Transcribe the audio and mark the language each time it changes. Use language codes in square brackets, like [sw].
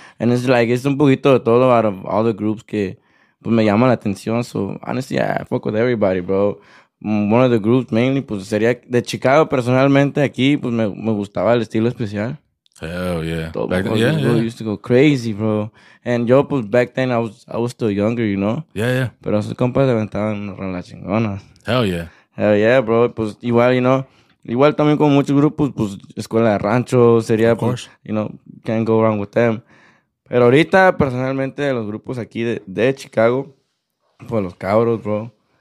[en] And it's like, it's [es] un poquito de todo [en] out of all the groups [es] que, pues, me llama la atención. [en] So, honestly, I fuck with everybody, bro. One of the groups mainly, [es] pues, sería de Chicago personalmente aquí, pues, me gustaba el estilo especial. [en] Hell yeah. Back then, yeah. Used to go crazy, bro. And yo, pues, back then, I was still younger, you know? Yeah, yeah. [es] Pero sus compas se aventaban en las chingonas. [en] Hell yeah. Hell yeah, bro. [es] Pues, igual, you know, igual también con muchos grupos, pues, Escuela de Rancho, sería, [en] of course. Pues, you know, can't go wrong with them. [es] Pero ahorita, personalmente, los grupos aquí de Chicago, pues, Los Cabros, bro.